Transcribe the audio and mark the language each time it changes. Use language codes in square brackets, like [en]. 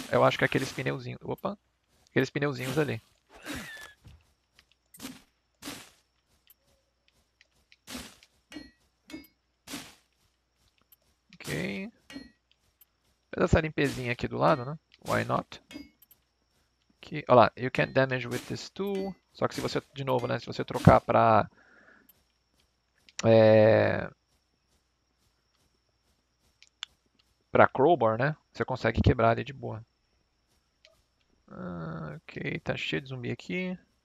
[pt] Eu acho que é aqueles pneuzinhos. Opa! Aqueles pneuzinhos ali. Essa limpezinha aqui do lado, né? [en] Why not? [pt] Aqui, olha lá, [en] you can't damage with this tool. [pt] Só que se você, de novo, né? Se você trocar pra. Pra crowbar, né? Você consegue quebrar ali de boa. Ok, tá cheio de zumbi aqui.